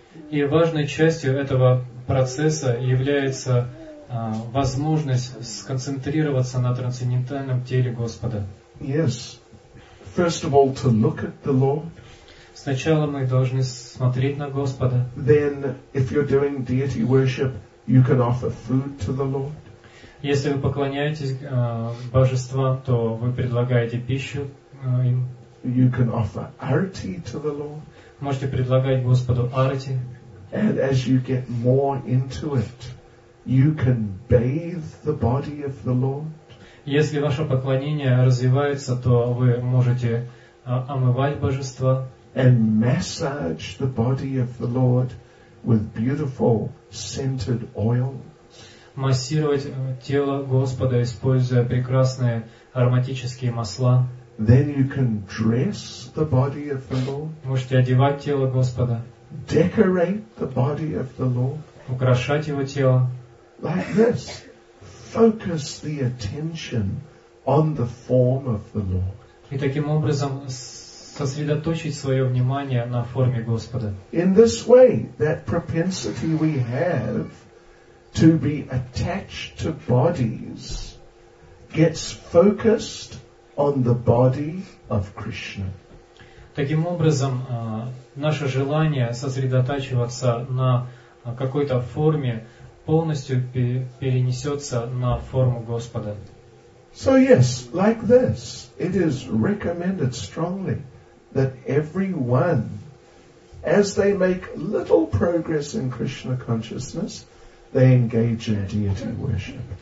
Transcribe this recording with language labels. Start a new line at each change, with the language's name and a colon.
Russian: И важной частью этого процесса является возможность сконцентрироваться на трансцендентальном теле Господа.
English: Yes. First of all, to look at the Lord.
Russian: Сначала мы должны смотреть на Господа.
English: Then, if you're doing deity worship, you can offer food to the Lord.
Russian: Если вы поклоняетесь божествам, то вы предлагаете пищу им.
English: You can offer arati to the Lord.
Russian: Можете предлагать Господу арати.
English: And as you get more into it, you can bathe the body of the Lord.
Russian: Если ваше поклонение развивается, то вы можете омывать божество.
English: And massage the body of the Lord with beautiful scented oils.
Russian: Массировать тело Господа, используя прекрасные ароматические масла.
English: Then you can dress the body of the Lord.
Russian: Можете одевать тело Господа.
English: Decorate the body of the Lord.
Russian: Украшать его тело.
English: Like this. Focus the attention on the form of the Lord.
Russian: И таким образом сосредоточить свое внимание на форме Господа.
English: In this way, that propensity we have to be attached to bodies gets focused on the body of Krishna.
Russian: Таким образом, наше желание сосредотачиваться на какой-то форме полностью перенесется на форму Господа.
English: So yes, like this, it is recommended strongly that everyone, as they make little progress in Krishna consciousness, they engage in deity worship.